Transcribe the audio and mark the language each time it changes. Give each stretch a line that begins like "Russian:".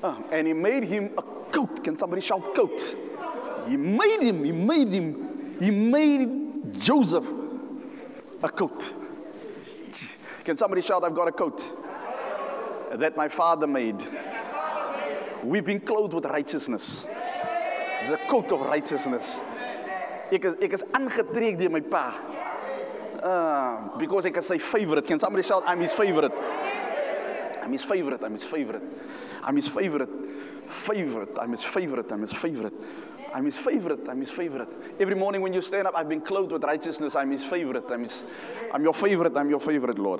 English: And he made him a coat. Can somebody shout coat? He made Joseph a coat. Can somebody shout, I've got a coat that my father made. We've been clothed with righteousness. The coat of righteousness.
Afrikaans: Ek is aangetrek deur my pa.
English: Because
Afrikaans: ek is sy favorite.
English: Can somebody shout, I'm his favorite. I'm his favorite. Every morning when you stand up, I've been clothed with righteousness. I'm your favorite, Lord.